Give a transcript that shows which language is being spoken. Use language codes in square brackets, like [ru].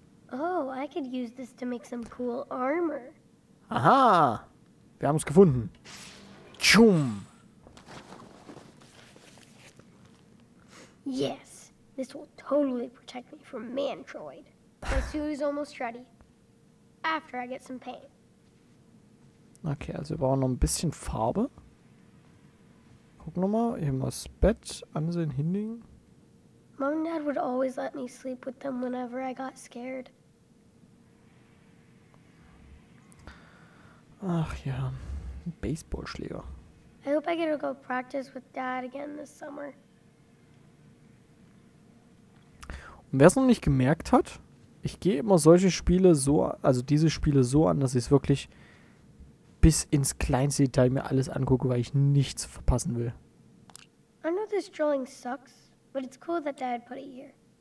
[en] Oh, I could use this to make some cool armor. [de] Aha! Wir haben es gefunden. Tschum! [en] Yes, this will totally protect me from Mantroid. My suit is almost ready. After I get some paint. [de] Okay, also wir brauchen noch ein bisschen Farbe. Guck nochmal, hier haben wir das Bett. Ansehen, hinlegen. [en] Mom and Dad would always let me sleep with them whenever I got scared. [de] Ach ja, Baseballschläger. [en] I hope I get to go practice with Dad again this summer. [de] Und wer es noch nicht gemerkt hat, ich gehe immer solche Spiele so, also diese Spiele so an, dass ich es wirklich bis ins kleinste Detail mir alles angucke, weil ich nichts verpassen will. [en] I know this drawing sucks. But it's cool that Dad put it here.